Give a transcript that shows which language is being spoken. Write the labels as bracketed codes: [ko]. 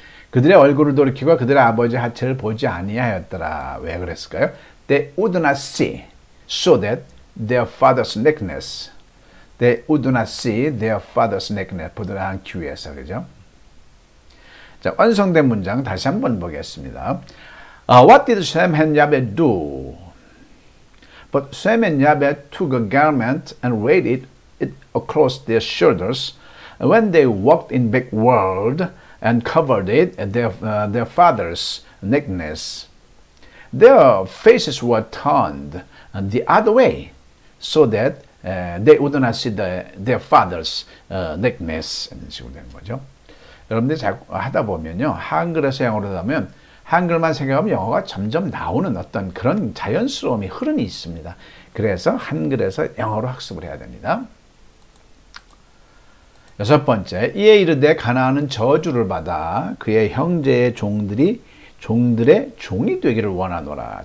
[ko] 그들의 얼굴을 돌이키고 그들의 아버지 하체를 보지 아니하였더라. 왜 그랬을까요? [en] They would not see so that their father's nakedness. They would not see their father's nakedness. [ko] 부드러운 큐에서 그죠? 자, 완성된 문장 다시 한번 보겠습니다. [en] What did Sam and Yabet do? But Sam and Yabet took a garment and laid it across their shoulders. When they walked in back world and covered it, their father's nakedness, their faces were turned the other way, so that they would not see their father's nakedness. [ko] 이런 식으로 된 거죠. 여러분들이 하다 보면요, 한글에서 영어로 하면. 한글만 생각하면 영어가 점점 나오는 어떤 그런 자연스러움이 흐름이 있습니다. 그래서 한글에서 영어로 학습을 해야 됩니다. 여섯 번째, 이에 이르되 가나안은 저주를 받아 그의 형제의 종들이 종들의 종이 되기를 원하노라.